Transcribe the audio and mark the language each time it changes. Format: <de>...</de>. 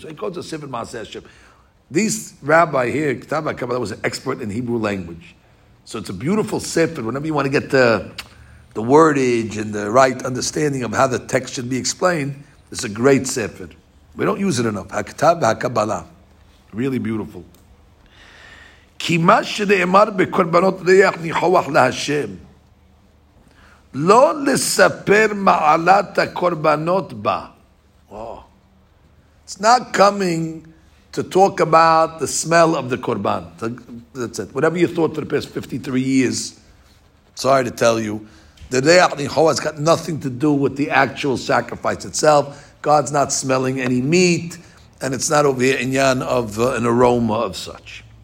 <en>So he calls it sefer ma'aseh Hashem. This rabbi here, Ktaba Kabbalah, was an expert in Hebrew language. So it's a beautiful sefer. Whenever you want to get the wordage and the right understanding of how the text should be explained, it's a great sefer. We don't use it enough. Haktab HaKabbalah. Really beautiful.</en> <he>כי מה שנאמר בקורבנות ריח ניחוח להשם, לא לספר מעלת הקורבנות בה.</he> <en>Oh. It's not coming to talk about the smell of the korban. That's it. Whatever you thought for the past 53 years, sorry to tell you, the ריח ניחוח has got nothing to do with the actual sacrifice itself. God's not smelling any meat, and it's not over here inyan of an aroma of such.</en>